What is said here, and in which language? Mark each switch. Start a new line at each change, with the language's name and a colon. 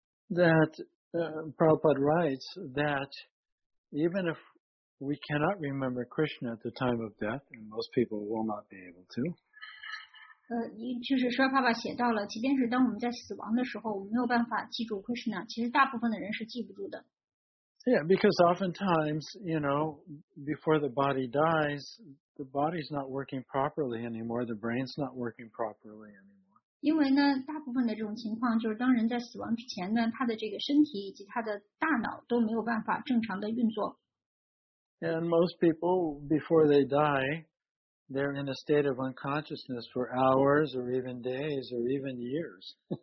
English: That Prabhupada writes that even if we cannot remember Krishna at the time of death, and most people will not be able to.
Chinese: 就是说，爸爸写到了，即便是当我们在死亡的时候，我们没有办法记住 Krishna， 其实大部分的人是记不住的。
English: Yeah, because oftentimes, you know, before the body dies, the body's not working properly anymore, the brain's not working properly anymore.
Chinese: 因为呢，大部分的这种情况就是当人在死亡之前呢，他的这个身体以及他的大脑都没有办法正常的运作。
English: And most people, before they die, they're in a state of unconsciousness for hours or even days or even years.